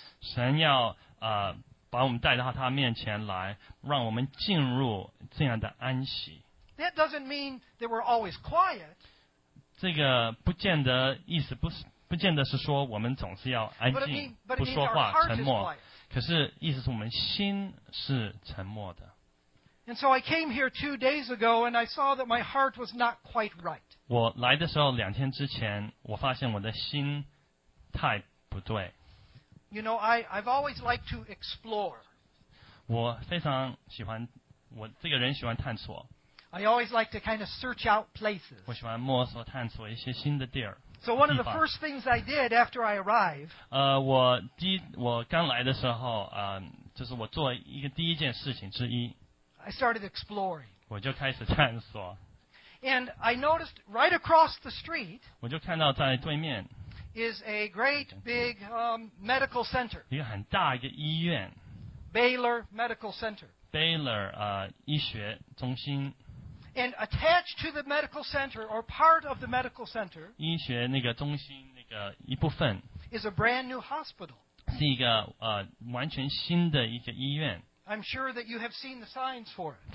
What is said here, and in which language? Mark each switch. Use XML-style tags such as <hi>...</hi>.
<zh>神要, 把我们带到他面前来, 让我们进入这样的安息。</zh> <en>That doesn't mean that we're always quiet.</en> <zh>这个不见得是说我们总是要安静,</zh> <en>but it means,</en> <zh>不说话,</zh> <en>our heart</en> <zh>沉默。</zh> <en>is quiet.</en> <zh>可是意思是我们心是沉默的。</zh> <en>And so I came here 2 days ago and I saw that my heart was not quite right.</en> <zh>我来的时候两天之前, 我发现我的心态不对。</zh> <en>You know, I've always liked to explore.</en> <zh>我非常喜欢, 我这个人喜欢探索。</zh> <en>I always like to kind of search out places.</en> <zh>我喜欢摸索探索一些新的地儿。</zh> <en>So one of the first things I did after I arrived,</en> <zh>我刚来的时候, 就是我做一个第一件事情之一,</zh> <en>I started exploring.</en> <zh>我就开始探索。</zh> <en>And I noticed right across the street,</en> <zh>我就看到在对面,</zh> <en>is a great big medical center.</en> <zh>一个很大一个医院,</zh> <en>Baylor Medical Center.</en> <zh>Baylor, 医学中心。</zh> <en>And attached to the medical center, or part of the medical center,</en> <zh>医学那个中心那个一部分,</zh> <en>is a brand new hospital.</en> <zh>是一个, 完全新的一个医院,</zh> <en>I'm sure that you have seen the signs for it.</en>